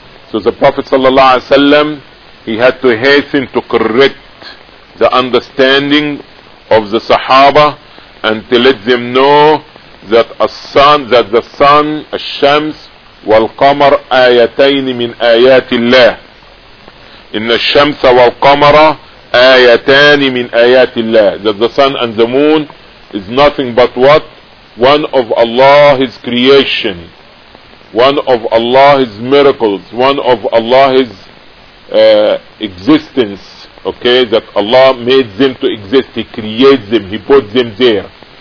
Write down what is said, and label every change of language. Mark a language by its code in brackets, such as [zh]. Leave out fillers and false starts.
[en] So the Prophet sallallahu alaihi wasallam, he had to hasten to correct the understanding of the Sahaba and to let them know that the sun, [ar] الشمس والقمر آيتين من آيات الله. إن الشمس والقمر آيتان من آيات الله. [en] That the sun and the moon is nothing but what? One of Allah's creation. One of Allah's miracles, one of Allah's existence, okay, that Allah made them to exist, He created them, He put them there.